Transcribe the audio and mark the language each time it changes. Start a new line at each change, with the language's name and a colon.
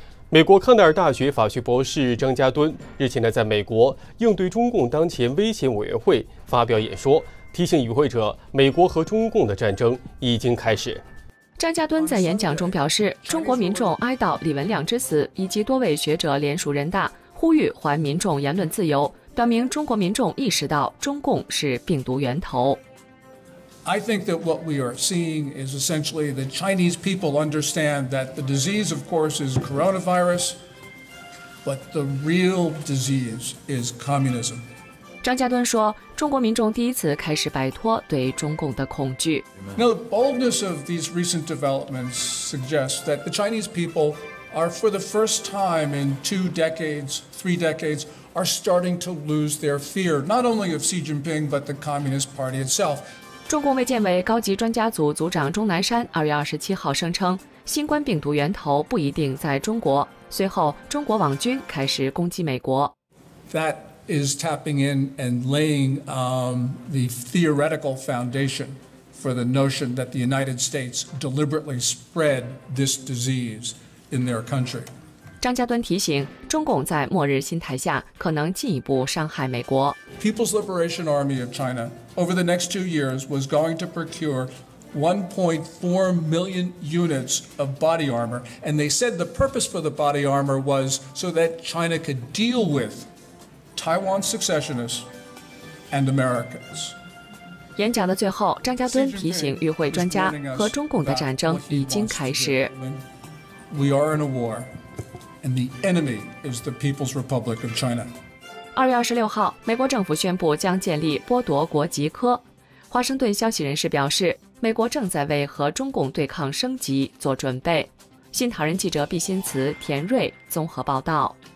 Chinese: 美国康奈尔大学法学博士张家敦日前在美国应对中共当前威胁委员会发表演说，提醒与会者，美国和中共的战争已经开始。张家敦在演讲中表示，中国民众哀悼李文亮之死，以及多位学者联署人大，呼吁还民众言论自由，表明中国民众意识到中共是病毒源头。
English: I think that what we are seeing is essentially the Chinese people understand that the disease, of course, is coronavirus, but the real disease is communism.
Chinese: 张家敦说，中国民众第一次开始摆脱对中共的恐惧。
English: Now, the boldness of these recent developments suggests that the Chinese people are, for the first time in three decades, are starting to lose their fear, not only of Xi Jinping, but the Communist Party itself.
Chinese: 中共卫健委高级专家组组长钟南山2月27日声称，新冠病毒源头不一定在中国。随后，中国网军开始攻击美国。
English: That is tapping in and laying the theoretical foundation for the notion that the United States deliberately spread this disease in their country.
Chinese: 张家敦提醒，中共在末日心态下可能进一步伤害美国。
English: People's Liberation Army of China. Over the next 2 years, was going to procure 1.4 million units of body armor, and they said the purpose for the body armor was so that China could deal with Taiwan secessionists and Americans.
Chinese: 演讲的最后，张家敦提醒与会专家，和中共的战争已经开始。
English: We are in a war, and the enemy is the People's Republic of China.
Chinese: 2月26号，美国政府宣布将建立剥夺国籍科。华盛顿消息人士表示，美国正在为和中共对抗升级做准备。新唐人记者毕新慈、田瑞综合报道。